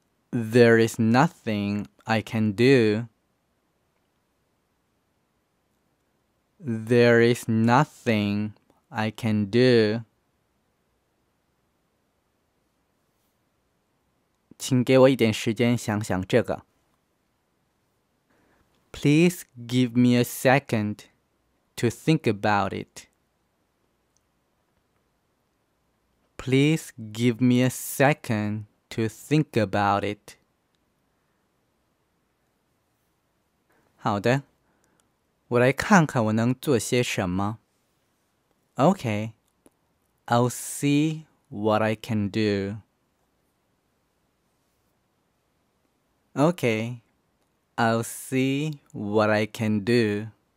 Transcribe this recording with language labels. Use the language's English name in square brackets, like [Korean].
[English] There is nothing. I can do. There is nothing I can do. [Chinese] 请给我一点时间想想这个。 [English] Please give me a second to think about it. Please give me a second to think about it. [Chinese] 好的，我来看看我能做些什么。 [English] Okay, I'll see what I can do. Okay, I'll see what I can do.